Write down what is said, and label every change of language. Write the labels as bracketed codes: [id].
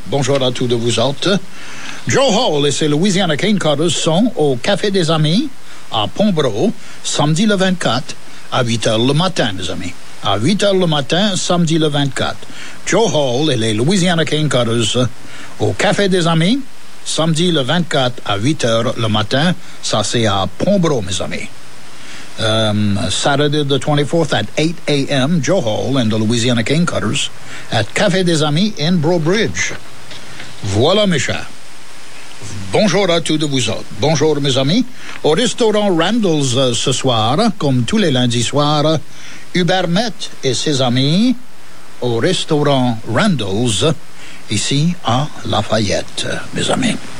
[fr] Bonjour à tous de vous autres. Joe Hall et ses Louisiana Cane Cutters sont au Café des Amis à Pombrot, samedi le 24, à 8h le matin, mes amis. À 8h le matin, samedi le 24. Joe Hall et les Louisiana Cane Cutters au Café des Amis, samedi le 24 à 8h le matin. Ça, c'est à Pombrot, mes amis. [en] Saturday the 24th at 8 a.m., Joe Hall and the Louisiana Cane Cutters at Café des Amis in Brobridge. [fr] Voilà, mes chers. Bonjour à tous de vous autres. Bonjour, mes amis. Au restaurant Randall's ce soir, comme tous les lundis soirs, Hubert Met et ses amis au restaurant Randall's, ici à Lafayette, mes amis.